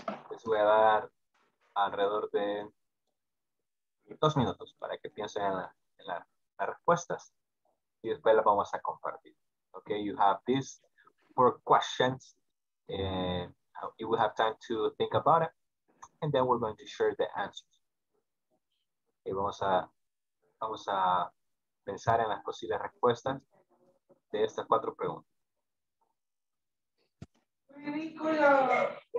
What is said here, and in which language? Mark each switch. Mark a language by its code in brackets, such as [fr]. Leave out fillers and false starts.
[es] Les voy a dar alrededor de 2 minutos para que piensen en, las respuestas. Y después las vamos a compartir. [en] Ok, you have these 4 questions. You will have time to think about it. And then we're going to share the answers. [es] Y vamos a pensar en las posibles respuestas de estas 4 preguntas. Ridículo.